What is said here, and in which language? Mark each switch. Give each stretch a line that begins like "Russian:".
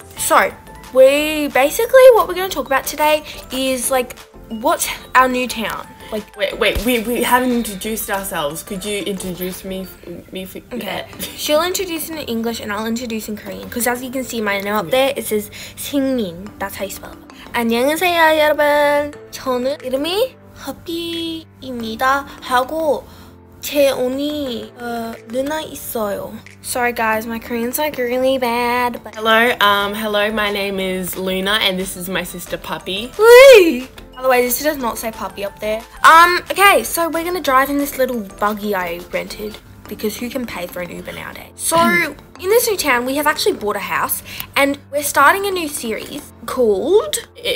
English: So, what we're gonna talk about today is, like, what's our new town? Wait, we haven't introduced ourselves. Could you introduce me? Okay. She'll introduce in English and I'll introduce in Korean. Because as you can see, my name up there, it says 생민. That's how you spell it.
Korean: 안녕하세요, 여러분. 저는 이름이 허피입니다. 하고 제 언니 누나 있어요.
English: Sorry, guys. My Korean's like really bad. But hello. My name is Luna and this is my sister Puppy. Wee! By the way, this does not say puppy up there. Okay, so we're gonna drive in this little buggy I rented because who can pay for an Uber nowadays? So, in this new town, we have actually bought a house and we're starting a new series called...